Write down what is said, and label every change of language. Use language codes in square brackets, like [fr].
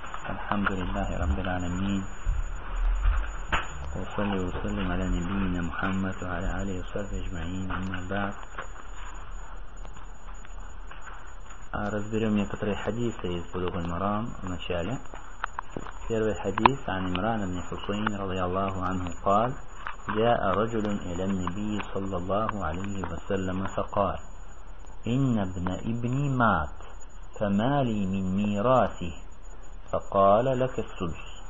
[ar] الحمد لله رب العالمين، وصلي وسلم على نبينا محمد وعلى آله وصحبه أجمعين. أما بعد، [ru] разберем некоторые хадисы из Булугх аль-Марам в начале. Первый хадис [ar] عن عمران بن حصين رضي الله عنه قال: جاء رجل إلى النبي صلى الله عليه وسلم فقال: إن ابني مات فمالي من ميراثه؟ فقال: لك السدس.